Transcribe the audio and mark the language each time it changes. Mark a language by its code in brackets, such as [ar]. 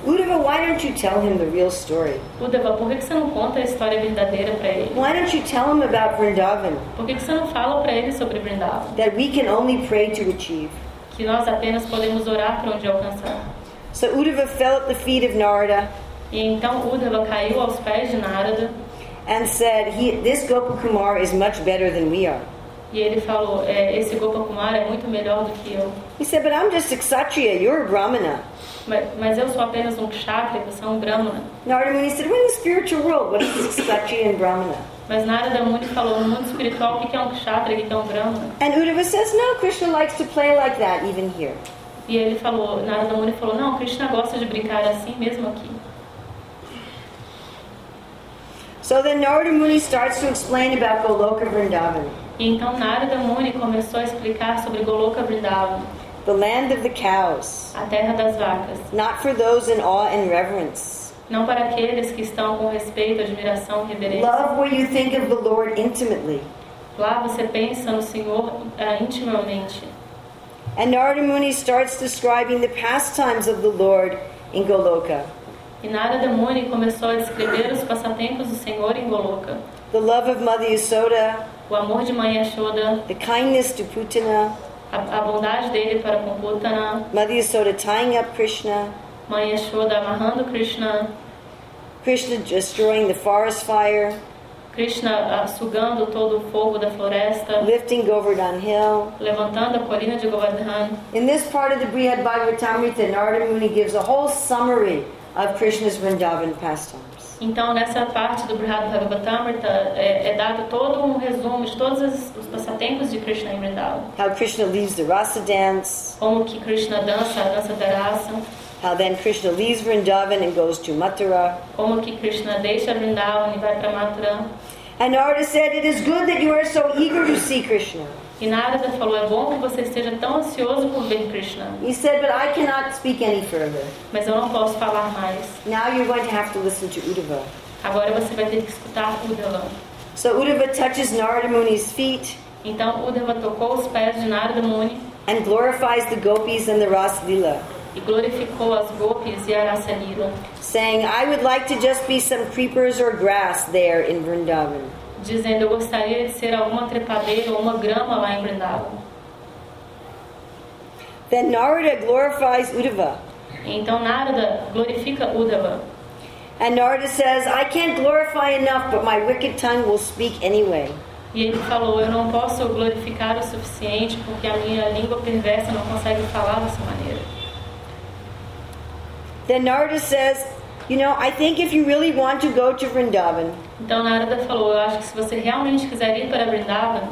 [en] Uddhava, why don't you tell him the real story? [pt] Uddhava, por que você não conta a história verdadeira para ele? [en] Why don't you tell him about Vrindavan? [pt] Por que você não fala para ele sobre Vrindavan? [en] That we can only pray to achieve. [pt] Que nós apenas podemos orar para onde alcançar. [en] So Uddhava fell at the feet of Narada. [pt] E então Uddhava caiu aos pés de Narada. [en] And said, "This Gopakumara is much better than we are." [pt] E ele falou, "Esse Gopakumara é muito melhor do que eu." [en] He said, "But I'm just a kshatriya. You're a brahmana." [pt] Mas eu sou apenas um kshatriya. Você é um brahmana. [en] Narada Muni said, "We're in the spiritual world. What is kshatriya and brahmana?" [pt] Mas Narada Muni falou, "No mundo espiritual, o que é um kshatriya e o que é um brahmana?" [en] And Uddhava says, "No, Krishna likes to play like that even here." [pt] E ele falou, Narada Muni falou, "Não, Krishna gosta de brincar assim mesmo aqui." [en] So then Narada Muni starts to explain about Goloka Vrindavan. [pt] Então Narada Muni começou a explicar sobre Goloka Vrindavan. [en] The land of the cows. [pt] A terra das vacas. [en] Not for those in awe and reverence. [pt] Não para aqueles que estão com respeito, admiração, reverência. [en] Love where you think of the Lord intimately. [pt] Lá você pensa no Senhor intimamente. [en] And Narada Muni starts describing the pastimes of the Lord in Goloka. [pt] E Narada Muni começou a descrever os passatempos do Senhor em Goloka. [en] The love of Mother Yashoda. [pt] O amor de Mãe Yashoda. [en] The kindness to Putana. [pt] A bondade dele para com Putana. [en] Mother Yashoda tying up Krishna. [pt] Mãe Yashoda amarrando Krishna. [en] Krishna destroying the forest fire. [pt] Krishna sugando todo o fogo da floresta. [en] Lifting Govardhan Hill. [pt] Levantando a colina de Govardhan. [en] In this part of the Brihad Bhagavatamrita, Narada Muni gives a whole summary of Krishna's Vrindavan pastimes. [pt] Então, nessa parte do Brihadbhagavatamrita é dado todo um resumo de todos os passatempos de Krishna em Vrindavan. [en] How Krishna leaves the Rasa dance. [pt] Como que Krishna dança a dança da Rasa. [en] How then Krishna leaves Vrindavan and goes to Mathura. [pt] Como que Krishna deixa Vrindavan e vai para Mathura. [en] And Narada said, "It is good that you are so eager to see Krishna." [pt] E Narada falou, é bom que você esteja tão ansioso por ver Krishna. [en] He said, "But I cannot speak any further." [pt] Mas eu não posso falar mais. [en] Now you're going to have to listen to Uddhava. [pt] Agora você vai ter que escutar Uddhava. [en] So Uddhava touches Narada Muni's feet. [pt] Então Uddhava tocou os pés de Narada Muni. [en] And glorifies the gopis and the Rasa Lila. [pt] E glorificou as gopis e a Rasa Lila. [en] Saying, "I would like to just be some creepers or grass there in Vrindavan." [pt] Dizendo, eu gostaria de ser alguma trepadeira ou uma grama lá em Vrindavan. [en] Then Narada glorifies Uddhava. [pt] Então Narada glorifica Uddhava. [en] And Narada says, "I can't glorify enough, but my wicked tongue will speak anyway." [pt] E ele falou, eu não posso glorificar o suficiente porque a minha língua perversa não consegue falar dessa maneira. [en] Then Narada says, "You know, I think if you really want to go to Vrindavan." [pt] Então Narada falou, eu acho que se você realmente quiser ir para Vrindavan,